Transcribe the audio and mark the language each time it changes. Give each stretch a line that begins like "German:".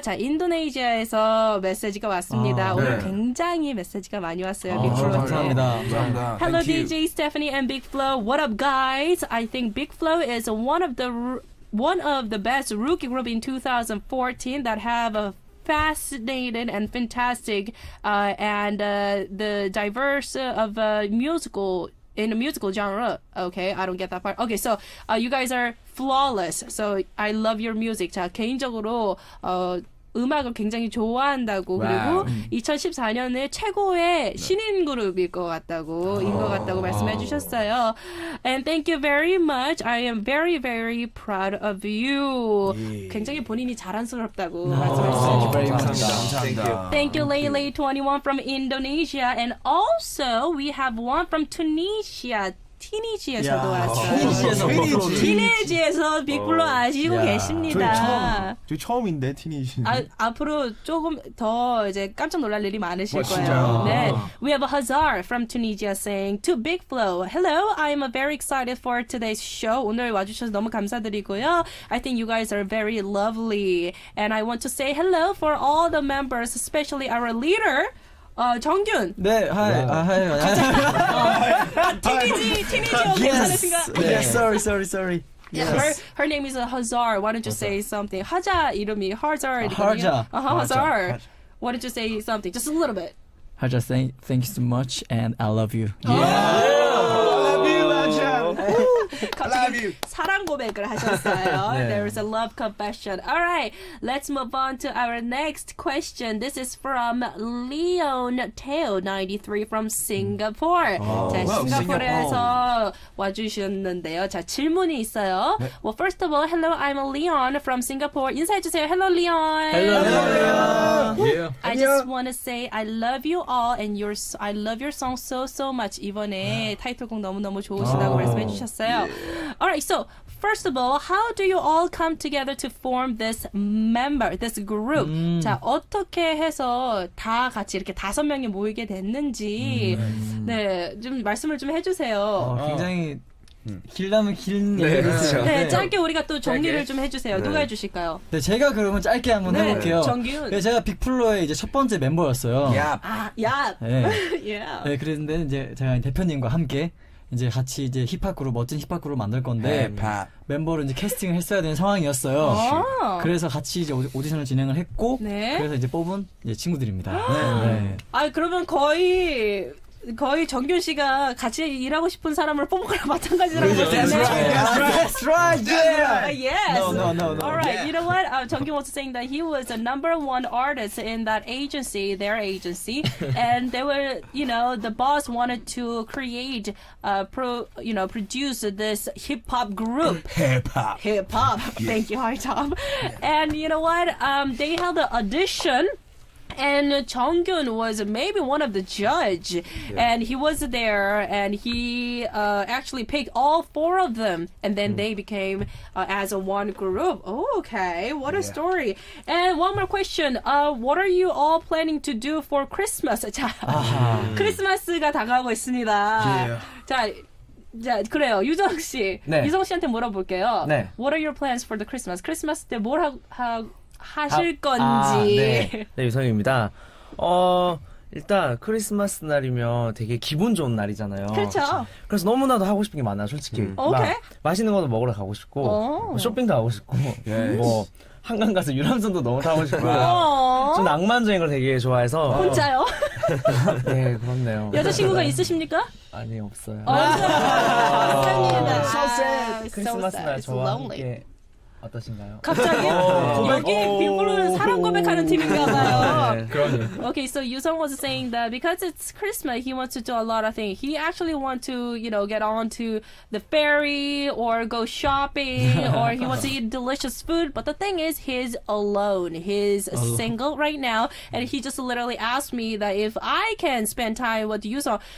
Korean: 자, 인도네시아에서 메시지가 왔습니다. 오늘 네. 굉장히 메시지가 많이 왔어요. 감사합니다. 감사합니다.
English: Hello, DJ Stephanie and BIGFLO, what up guys? I think BIGFLO is one of the best rookie group in 2014 that have a fascinating and fantastic the diverse of musical genre. Okay, I don't get that part. Okay, so you guys are flawless. So I love your music.
Korean: 자, 개인적으로 음악을 굉장히 좋아한다고 그리고 wow. 2014년에 최고의 신인 그룹일 것 같다고 말씀해 주셨어요.
English: And thank you very much. I am very very proud of you. Yeah.
Korean: 굉장히 본인이 자랑스럽다고 말씀하셨습니다.
English: Thank you, Lele21 from Indonesia. And also we have one from Tunisia.
Korean: 티니지에서도 왔어요. 티니지에서 빅플로 아시고 계십니다. 저희 처음인데 티니지. 앞으로 조금 더 이제 깜짝 놀랄 일이 많으실 거예요.
English: 네. We have a Hazar from Tunisia saying to BIGFLO, Hello, I'm very excited for today's show.
Korean: 오늘 와주셔서 너무 감사드리고요.
English: I think you guys are very lovely. And I want to say hello for all the members, especially our leader.
Korean: 정균. 네, 하이. 하이. 티니지 괜찮으신가?
English: Yes. Sorry. Yes. Her name is Hazar. Why don't you say something?
Korean: 하자 이름이
English: Hazar.
Korean: 하자.
English: Hazar. Why don't you say something? Just a little bit. 하자, thank you so much, and I love you. I love you.
Korean: 사랑 고백을 하셨어요. 네.
English: There is a love confession. All right, let's move on to our next question. This is from Leon Teo 93 from Singapore.
Korean: 자, 싱가포르에서 와주셨는데요. 자, 질문이 있어요. 네.
English: Well, first of all, hello, I'm Leon from Singapore.
Korean: 인사해주세요.
English: Hello, Leon. Hello, Leon. Yeah. I just want to say I love you all and I love your song so much.
Korean: 이번에 yeah. 타이틀곡 너무 좋으시다고 말씀해주셨어요.
English: Yeah. Alright, so first of all, how do you all come together to form this group?
Korean: 자, 어떻게 해서 다 같이 이렇게 다섯 명이 모이게 됐는지 네, 좀 말씀을 좀 해주세요. 굉장히 길다면 긴 네, 얘기 있으세요. 네, 짧게 우리가 또 정리를 좀 해주세요. 네. 누가 해주실까요? 네, 제가 그러면 짧게 한번 해볼게요. 네, 정균. 네, 제가 빅플로의 이제 첫 번째 멤버였어요. 얍. 네. 얍. 네, 그랬는데 이제 제가 대표님과 함께 이제 같이 이제 힙합 그룹, 멋진 힙합 그룹 만들 건데 힙합. 멤버를 이제 캐스팅을 했어야 되는 상황이었어요. 그래서 같이 이제 오디션을 진행을 했고 네? 그래서 이제 뽑은 이제 친구들입니다. 네. 아, 그러면 거의 정균 씨가 같이 일하고 싶은 사람을 뽑은 거랑 마찬가지라는 거 같은데.
English: That's right. Yes. No. All right. You know what? Jeongkyun was saying that he was the number one artist in that agency, their agency, and they were, you know, the boss wanted to create produce this hip hop group. Hip hop. Yeah. Thank you, Hi Tom. And you know what? They held the audition. And Jeongkyun was maybe one of the judge, yeah. And he was there, and he actually picked all four of them, and then they became as a one group. Okay, what a story. And one more question. What are you all planning to do for Christmas?
Korean: 자, 크리스마스가 다가오고 있습니다.
English: Yeah.
Korean: 자, 그래요. 유정 씨. 네. 유정 씨한테 물어볼게요. 네.
English: What are your plans for the Christmas?
Korean: 크리스마스 때 뭘 하실 건지. 네, 유성입니다. 일단 크리스마스 날이면 되게 기분 좋은 날이잖아요. 그렇죠. 그래서 너무나도 하고 싶은 게 많아요, 솔직히. 오케이. 맛있는 것도 먹으러 가고 싶고, 쇼핑도 하고 싶고, 예. 뭐 한강 가서 유람선도 너무 타고 싶고요. 좀 낭만적인 걸 되게 좋아해서. 혼자요? 네, 그렇네요. 여자친구가 있으십니까? 아니, 없어요. 감사합니다. 크리스마스 날 저와 함께 어떠신가요? 갑자기 여기 빅플로는 사랑 고백하는 팀인가 봐요. 그럼요.
English: Okay, so Yusung was saying that because it's Christmas, he wants to do a lot of things. He actually wants to, you know, get on to the ferry or go shopping or he wants to eat delicious food. But the thing is, he's alone. He's single right now. And he just literally asked me that if I can spend time with Yusung.